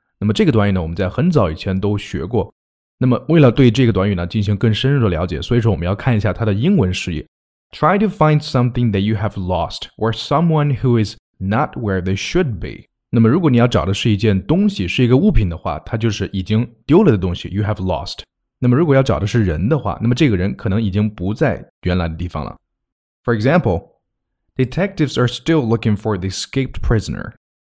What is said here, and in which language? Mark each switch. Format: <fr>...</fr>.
<zh>那么这个短语呢，我们在很早以前都学过。那么为了对这个短语呢进行更深入的了解，所以说我们要看一下它的英文释义。</zh> <en>Try to find something that you have lost or someone who is not where they should be.</en> <zh>那么如果你要找的是一件东西，是一个物品的话，它就是已经丢了的东西，</zh> <en>you have lost.</en> <zh>那么如果要找的是人的话，那么这个人可能已经不在原来的地方了。</zh> <en>For example, detectives are still looking for the escaped prisoner.</en>